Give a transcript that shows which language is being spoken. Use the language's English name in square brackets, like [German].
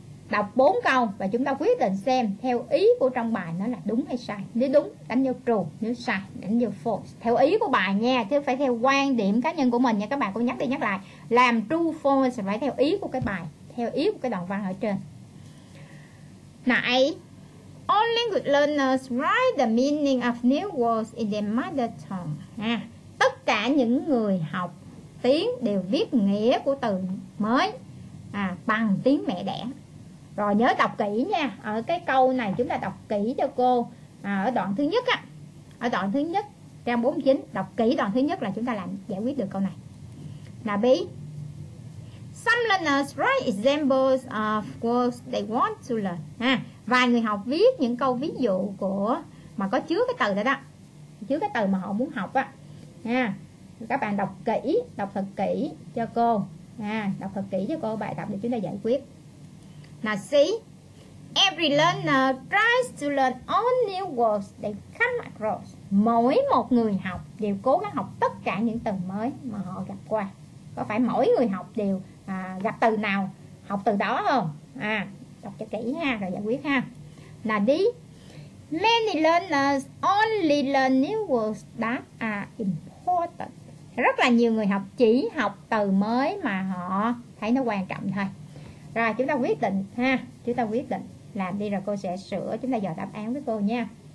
[Vietnamese] Đọc 4 câu và chúng ta quyết định xem theo ý của trong bài nó là đúng hay sai. Nếu đúng đánh vô true, nếu sai đánh vô false. Theo ý của bài nha, chứ phải theo quan điểm cá nhân của mình nha các bạn. Cô nhắc đi nhắc lại, làm true false phải theo ý của cái bài, theo ý của cái đoạn văn ở trên. [English] Này, all language learners write the meaning of new words in their mother tongue. [Vietnamese] À, tất cả những người học tiếng đều viết nghĩa của từ mới à, bằng tiếng mẹ đẻ. Rồi nhớ đọc kỹ nha. Ở cái câu này chúng ta đọc kỹ cho cô à, ở đoạn thứ nhất á. Ở đoạn thứ nhất, trang 49, đọc kỹ đoạn thứ nhất là chúng ta làm giải quyết được câu này. Nào B. [English] Some learners write examples of words they want to learn. [Vietnamese] À, vài người học viết những câu ví dụ của mà có chứa cái từ đó đó, chứa cái từ mà họ muốn học á. Nha, à, các bạn đọc kỹ, đọc thật kỹ cho cô. À, đọc thật kỹ cho cô bài tập để chúng ta giải quyết. [English] Now see, every learner tries to learn all new words they come across. [Vietnamese] Mỗi một người học đều cố gắng học tất cả những từ mới mà họ gặp qua. Có phải mỗi người học đều à, gặp từ nào học từ đó không? À, đọc cho kỹ ha, rồi giải quyết ha. Là đi. [English] Many learners only learn new words that are important. [Vietnamese] Rất là nhiều người học chỉ học từ mới mà họ thấy nó quan trọng thôi. Rồi chúng ta quyết định ha, chúng ta quyết định làm đi rồi cô sẽ sửa, chúng ta dò đáp án với cô nha.